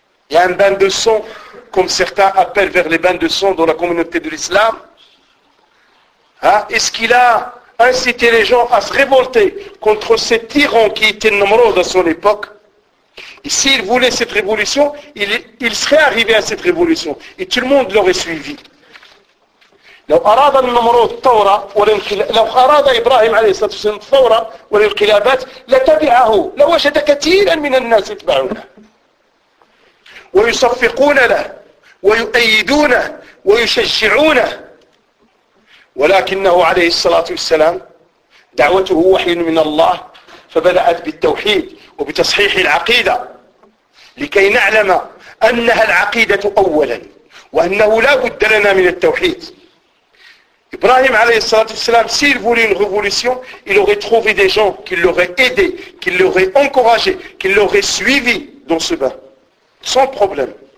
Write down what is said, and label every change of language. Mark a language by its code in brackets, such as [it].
[fr] Il y a un bain de sang, comme certains appellent vers les bains de sang dans la communauté de l'islam. Est-ce qu'il a incité les gens à se révolter contre ces tyrans qui étaient nombreux à son époque? Et s'il voulait cette révolution, il serait arrivé à cette révolution. Et tout le monde l'aurait suivi. [ar] لو أراد النمرود ثورة لو أراد إبراهيم عليه الصلاة والسلام ثورة والانقلابات لتبعه لوجد كثيرا من الناس يتبعونه ويصفقون له ويؤيدونه ويشجعونه ولكنه عليه الصلاة والسلام دعوته وحي من الله فبدأت بالتوحيد وبتصحيح العقيدة لكي نعلم أنها العقيدة أولا وأنه لا بد لنا من التوحيد. [fr] Ibrahim alayhi salatu wasalam, s'il voulait une révolution, il aurait trouvé des gens qui l'auraient aidé, qui l'auraient encouragé, qui l'auraient suivi dans ce bain, sans problème.